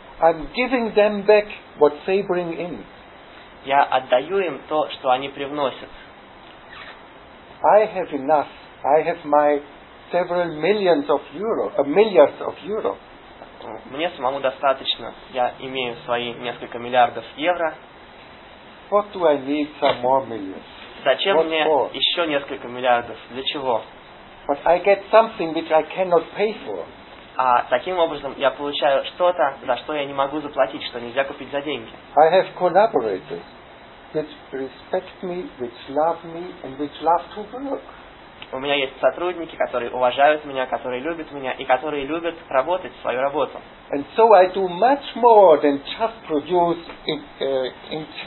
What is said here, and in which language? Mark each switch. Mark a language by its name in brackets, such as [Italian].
[English] I'm giving them back what they bring in. [Russian] Я отдаю им то, что они привносят. [English] I have enough. I have my several millions of euro, millions of euro. [Russian] Мне самому достаточно. Я имею свои несколько миллиардов евро. [English] What do I need some more millions? [Russian] Зачем [English] what [Russian] мне [English] for? [Russian] Еще несколько миллиардов? Для чего? [English] But I get something which I cannot pay for. [Russian] Таким образом я получаю что-то, за что я не могу заплатить, что нельзя купить за деньги. [English] I have collaborators which respect me, which love me, and which love to work. [Russian] У меня есть сотрудники, которые уважают меня, которые любят меня и которые любят работать свою работу. [English] And so I do much more than just produce in